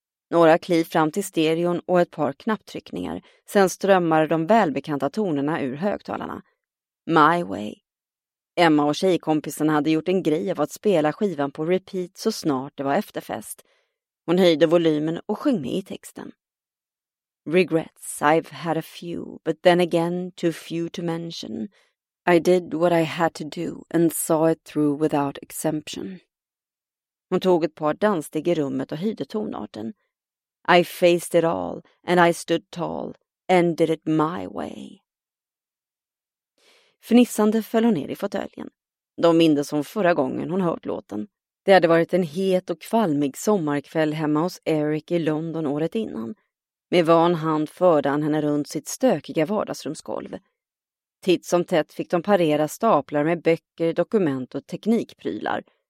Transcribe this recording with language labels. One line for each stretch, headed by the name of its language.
Swedish: Några kliv fram till stereon och ett par knapptryckningar. Sen strömmade de välbekanta tonerna ur högtalarna. My Way. Emma och tjejkompisen hade gjort en grej av att spela skivan på repeat så snart det var efterfest. Hon höjde volymen och sjöng med i texten.
English: Regrets, I've had a few, but then again too few to mention. I did what I had to do and saw it through without exemption.
Swedish: Hon tog ett par danssteg i rummet och höjde tonarten.
English: I faced it all and I stood tall and did it my way.
Swedish: Fnissande föll hon ner i fåtöljen. De mindes som förra gången hon hört låten. Det hade varit en het och kvalmig sommarkväll hemma hos Eric i London året innan. Med van hand förde han henne runt sitt stökiga vardagsrumsgolv. Titt som tätt fick de parera staplar med böcker, dokument och teknikprylar.